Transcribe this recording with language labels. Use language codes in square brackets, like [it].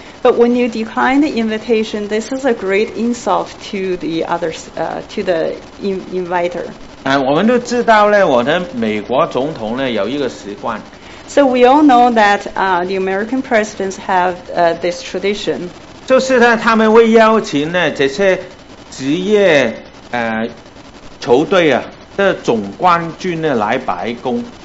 [en] But when you decline the invitation, this is a great insult to the others, to the inviter. [zh] 我们都知道呢，我的美国总统呢有一个习惯。 [en] So we all know that the American presidents have this tradition. [zh] 就是呢，他们会邀请呢这些职业球队啊的总冠军呢来白宫。